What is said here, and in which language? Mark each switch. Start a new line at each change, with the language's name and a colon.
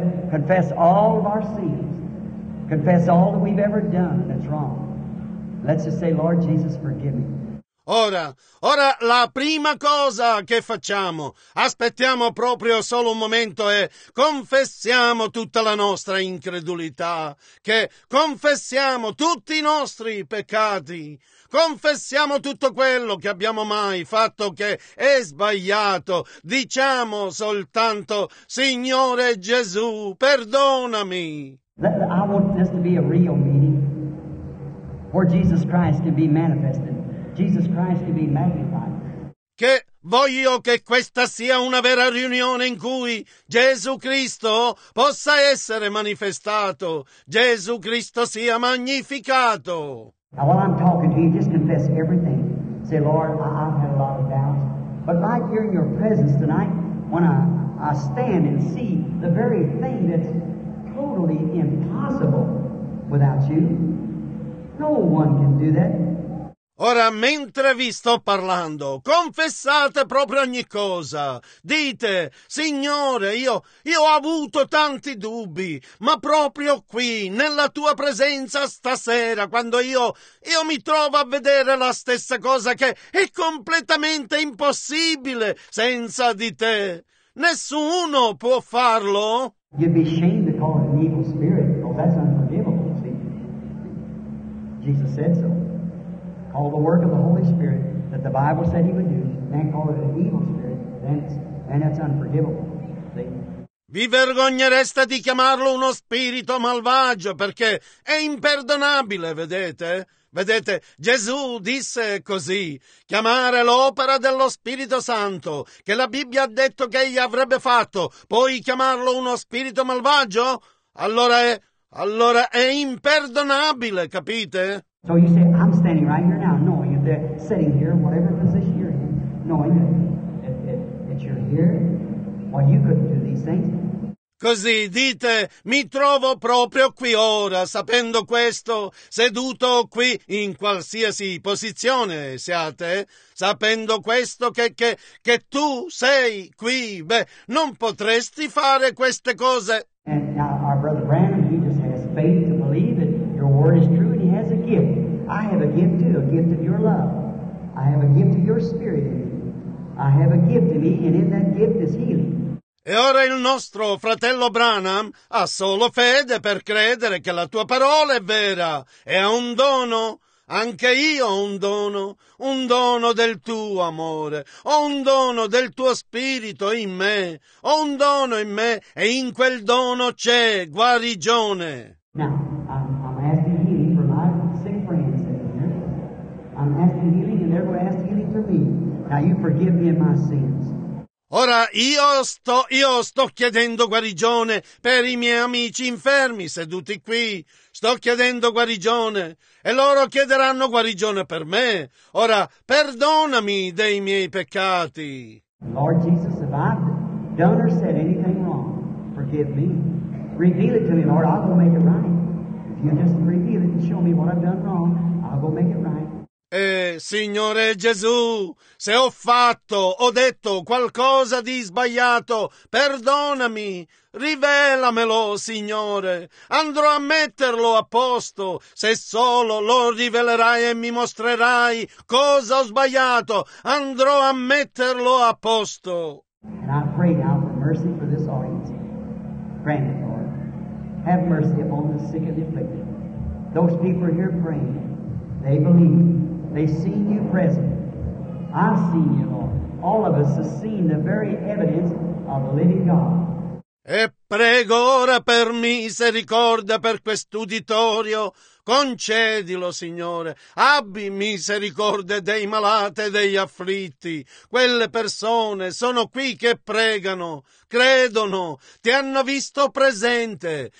English: Confess all of our sins. Confess all that we've ever done that's wrong. Let's just say, Lord Jesus, forgive me.
Italian: Ora la prima cosa che facciamo, aspettiamo proprio solo un momento e confessiamo tutta la nostra incredulità, che confessiamo tutti i nostri peccati, confessiamo tutto quello che abbiamo mai fatto che è sbagliato, diciamo soltanto, Signore Gesù, perdonami.
English: I want this to be a real meeting where Jesus Christ can be manifested. Jesus Christ can be magnified.
Italian: Che voglio che questa sia una vera riunione in cui Gesù Cristo possa essere manifestato. Gesù Cristo sia magnificato.
English: Now while I'm talking to you, just confess everything. Say, Lord, I've had a lot of doubts. But right here in your presence tonight, when I stand and see the very thing that's totally impossible without you, no one can do that.
Italian: Ora, mentre vi sto parlando, confessate proprio ogni cosa. Dite, Signore, io ho avuto tanti dubbi, ma proprio qui, nella tua presenza stasera, quando io mi trovo a vedere la stessa cosa che è completamente impossibile senza di te. Nessuno può farlo.
English: You'd be ashamed to call it an evil spirit, because that's unforgivable, see? Jesus said so. Call the work of the Holy Spirit that the Bible said he would do, then call it an evil spirit, then it's unforgivable, see?
Italian: Vi vergognereste di chiamarlo uno spirito malvagio, perché è imperdonabile, vedete? Vedete, Gesù disse così, chiamare l'opera dello Spirito Santo, che la Bibbia ha detto che egli avrebbe fatto, poi chiamarlo uno spirito malvagio? Allora è imperdonabile, capite?
English: So you say, I'm standing right here now, knowing that they're sitting here, whatever position you're in, knowing that you're here, well, you couldn't do these things.
Italian: Così dite, mi trovo proprio qui ora, sapendo questo, seduto qui in qualsiasi posizione siate, sapendo questo che tu sei qui, beh, non potresti fare queste cose.
English: And now our brother Branham, he just has faith to believe that your word is true and he has a gift. I have a gift too, a gift of your love. I have a gift of your spirit in me. I have a gift in me and in that gift is healing.
Italian: E ora il nostro fratello Branham ha solo fede per credere che la tua parola è vera e ha un dono. Anche io ho un dono del tuo amore, ho un dono del tuo spirito in me, ho un dono in me e in quel dono c'è guarigione.
English: Now, I'm asking healing for my sick friends in here. I'm asking healing and they're asking healing for me. Now you forgive me of my sins.
Italian: Ora io sto chiedendo guarigione per i miei amici infermi seduti qui. sto chiedendo guarigione e loro chiederanno guarigione per me. Ora perdonami dei miei peccati.
English: Lord Jesus, if I've done or said anything wrong, forgive me. Reveal it to me, Lord, I'll go make it right. If you just reveal it and show me what I've done wrong, I'll go make it right.
Italian: Signore Gesù, se ho fatto o detto qualcosa di sbagliato, perdonami, rivelamelo, Signore. Andrò a metterlo a posto, se solo lo rivelerai e mi mostrerai cosa ho sbagliato. Andrò a metterlo a posto.
English: And I pray now for mercy for this audience. Grant it, Lord. Have mercy upon the sick and the afflicted. Those people are here praying. They believe. They seen you present. I've seen you, Lord. All of us have seen the very evidence of the living God.
Italian: E prego ora per misericordia per quest'uditorio. Concedilo, Signore. Abbi misericordia dei malati e degli afflitti. Quelle persone sono qui che pregano, credono, ti hanno visto presente.